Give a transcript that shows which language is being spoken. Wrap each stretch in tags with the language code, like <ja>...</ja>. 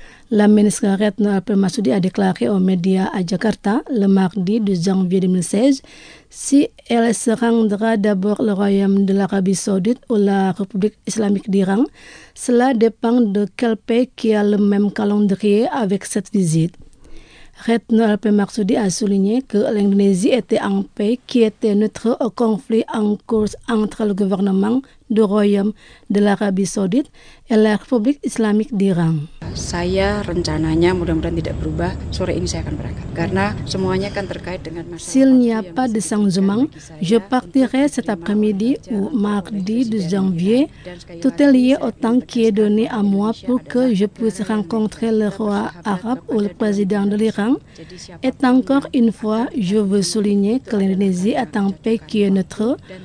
<fr>La ministre Retno Marsudi a déclaré aux médias à Jakarta le mardi 12 janvier 2016 si elle se rendra d'abord le royaume de l'Arabie Saoudite ou la République islamique d'Iran, cela dépend de quel pays qui a le même calendrier avec cette visite. Retno Alpemarsudi a souligné que l'Indonésie était en paix, qui était neutre au conflit en cours entre le gouvernement du Royaume de l'Arabie Saoudite et la République islamique d'Iran.</fr> <id>Saya rencananya mudah-mudahan tidak berubah, sore ini saya akan berangkat. Karena semuanya kan terkait dengan masalah.</id> <fr>S'il n'y a pas de changement, je partirai cet après-midi ou mardi 12 janvier. Tout est lié au temps qui est donné à moi pour que je puisse rencontrer le roi arabe ou le président de l'Iran. Et encore une fois, je veux souligner que l'Indonésie est en paix qui est neutre.</fr>